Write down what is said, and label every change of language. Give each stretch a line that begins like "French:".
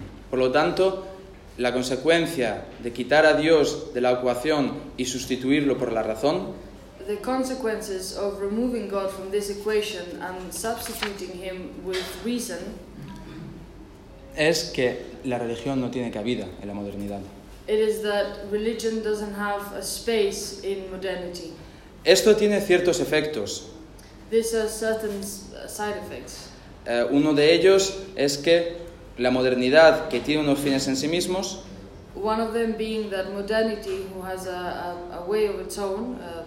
Spanish: Por lo tanto, la consecuencia de quitar a Dios de la ecuación y sustituirlo por la razón,
English: the consequences of removing God from this equation and substituting him with reason,
Spanish: es que la religión no tiene cabida en la modernidad.
English: It is that religion doesn't have a space in modernity.
Spanish: Esto tiene ciertos efectos.
English: This has certain side effects.
Spanish: Uno de ellos es que la modernidad, que tiene unos fines en sí mismos,
English: one of them being that modernity, who has a way of its own,